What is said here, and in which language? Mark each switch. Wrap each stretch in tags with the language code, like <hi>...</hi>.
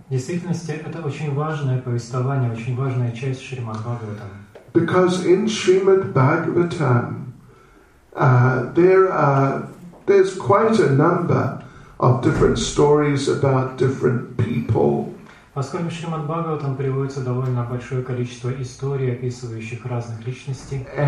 <ru>В действительности это очень важное повествование, очень важная часть Шримад Бхагаватам.</ru> <en>Because in Srimad Bhagavatam, there's quite a number of different stories about different people.</en> <ru>Поскольку в Шримад Бхагаватам приводится довольно большое количество историй, описывающих разных личностей.</ru>